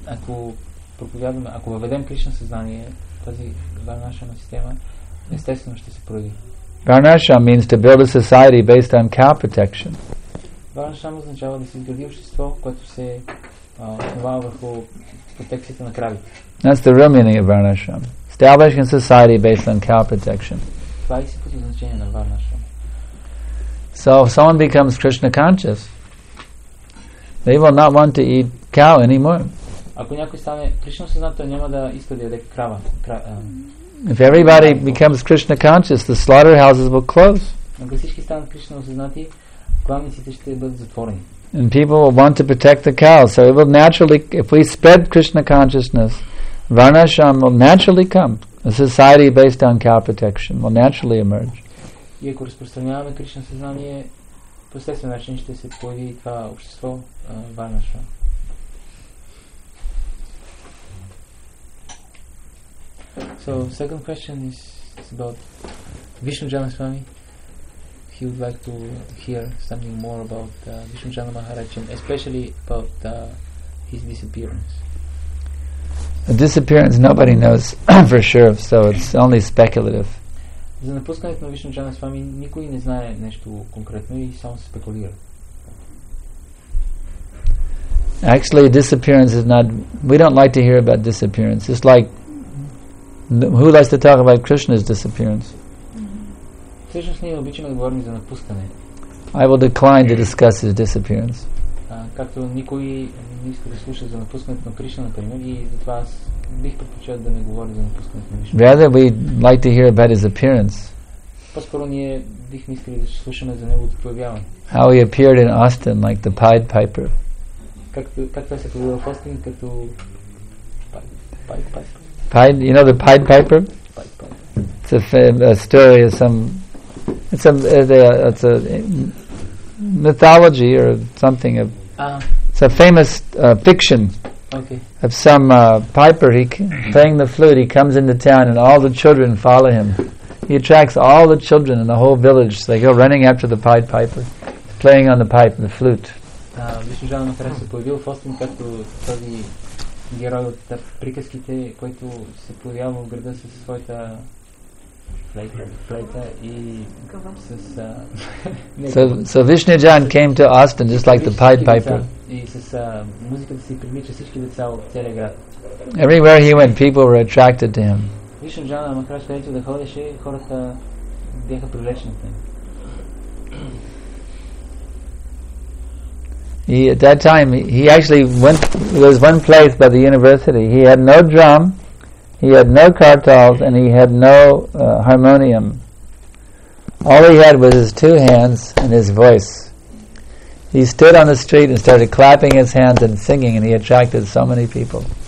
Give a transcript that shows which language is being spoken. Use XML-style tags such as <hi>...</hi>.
<bg>Ако проповядваме, ако въведем Кришна съзнание, тази Варнашрама система естествено ще се прояви.</bg> <en>Varnashram means to build a society based on cow protection.</en> <bg>Varnashram означава да се изгради общество, което се основава върху протекцията на кравите.</bg> <en>That's the real meaning of Varnashram. Establishing a society based on cow protection.</en> <bg>Това е истинското значение на Varnashram.</bg> <en>So if someone becomes Krishna conscious, they will not want to eat cow anymore.</en> <bg>Ако някой стане Кришна съзнател, няма да иска да яде крава.</bg> <en>If everybody becomes Krishna conscious, the slaughterhouses will close.</en> <bg>Ако всички станат Кришна осъзнати, кланиците ще бъдат затворени.</bg> <en>And people will want to protect the cows, so it will naturally, if we spread Krishna consciousness, Varnashram will naturally come. A society based on cow protection will naturally emerge.</en> <bg>И ако разпространяваме Кришна съзнание, по естествен начин ще се появи това общество, Варнашрам.</bg> <en>So, second question is about Vishnujana Swami. He would like to hear something more about Vishnujana Maharaj, and especially about his disappearance. The disappearance nobody knows for sure, so it's only speculative.</en> <bg>За напускането на Vishnujana Swami никой не знае нещо конкретно и само се спекулира.</bg> <en>Actually, disappearance is not... We don't like to hear about disappearance. It's like who likes to talk about Krishna's disappearance?</en> <bg>Всъщност ние обичаме да говорим за напускане.</bg> <en>I will decline to discuss his disappearance.</en> <bg>Както никой не иска да слуша за напускането на Кришна, например, и затова аз бих предпочел да не говоря за напускането на Кришна.</bg> <en>Rather, we like to hear about his appearance.</en> <bg>По-скоро ние бихме искали да слушаме за неговото появяване.</bg> <en>How he appeared in Austin, like the Pied Piper.</en> <bg>Как това се появило в Austin, като Pied Piper?</bg> <en>You know the Pied Piper? It's a story of some... It's a mythology or something of... It's a famous fiction. Okay. Of some piper playing the flute. He comes into town and all the children follow him. He attracts all the children in the whole village. So they go running after the Pied Piper. He's playing on the pipe, the flute.</en> <bg>Вишнуджава Махарадж се появил в Остин като този герой от приказките, който се появява в града със своята флейта и с...</bg> <en>So Vishnujan came to Austin just like the Pied Piper.</en> <bg>И с музиката си привлича всички деца от целия град.</bg> <en>Everywhere he went, people were attracted to him.</en> <bg>Вишнуджава Махарадж, където да ходеше, хората бяха привлечени от него.</bg> <en>He, at that time, he actually went, was one place by the university. He had no drum, he had no kartals, and he had no harmonium. All he had was his two hands and his voice. He stood on the street and started clapping his hands and singing, and he attracted so many people.</en>